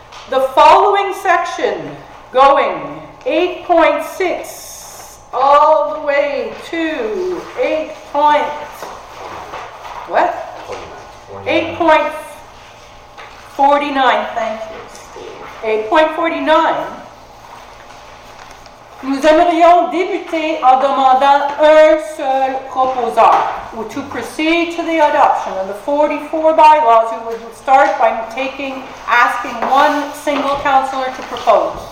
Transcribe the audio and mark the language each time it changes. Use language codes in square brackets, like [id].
[en] The following section going 8.6 all the way to 8.49, thank you. [fr] 8.49, nous aimerions débuter en demandant un seul proposeur. [en] Or to proceed to the adoption of the 44 bylaws, we would start by asking one single councillor to propose.